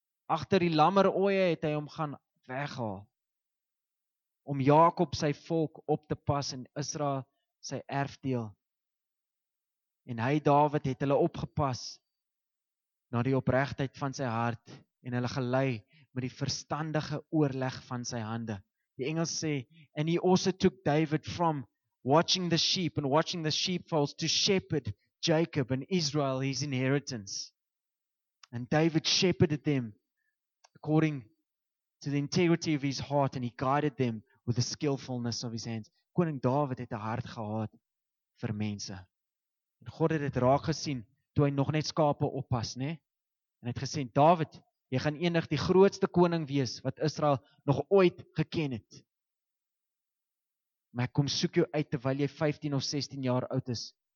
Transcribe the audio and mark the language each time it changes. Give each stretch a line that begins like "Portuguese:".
Afrikaans: Agter die lammeroeie het hy hom gaan weghaal om Jakob sy volk op te pas en Israel sy erfdeel. En hy Dawid het hulle opgepas na die opregtheid van sy hart en hulle gelei met die verstandige oorleg van sy hande. Die Engels sê,
English: and he also took David from watching the sheep and watching the sheepfolds to shepherd Jacob and Israel, his inheritance. And David shepherded them according to the integrity of his heart and he guided them with the skillfulness of his hands.
Afrikaans: Koning David het 'n hart gehad vir mense. En God het dit raak gesien toe hy nog net skape oppas, né? En het gesê, David, jy gaan eendag die grootste koning wees wat Israel nog ooit geken het. Maar ek kom soek jou uit terwyl jy 15 of 16 jaar oud is.